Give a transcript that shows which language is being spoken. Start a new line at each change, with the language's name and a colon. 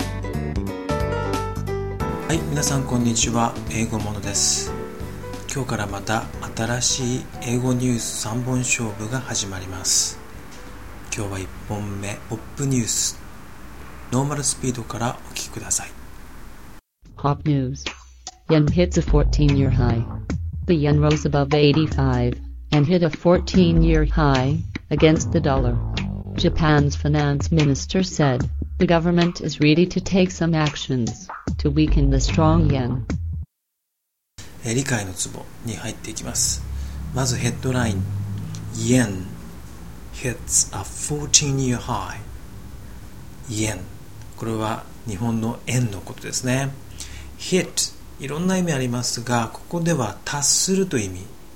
Japanese: はい、皆さんこんにちは。英語モノです。今日からまた新しい英語ニュース3本勝負が始まります。今日は1本目、ポップニュース、ノーマルスピードからお聞きください。
English: ポップニュース。Yen hits a 14 year high. The yen rose above 85 and hit a 14 year high against the dollar. Japan's finance minister said the government is ready to take some actionsTo weaken the strong yen.
Japanese: 理解のツボに入っていきます。まずヘッドライン、
English: Yen hits a 14 year high.
Japanese: Yen、 これは日本の円のことですね。 Hit、 いろんな意味ありますが、ここでは達するという意味。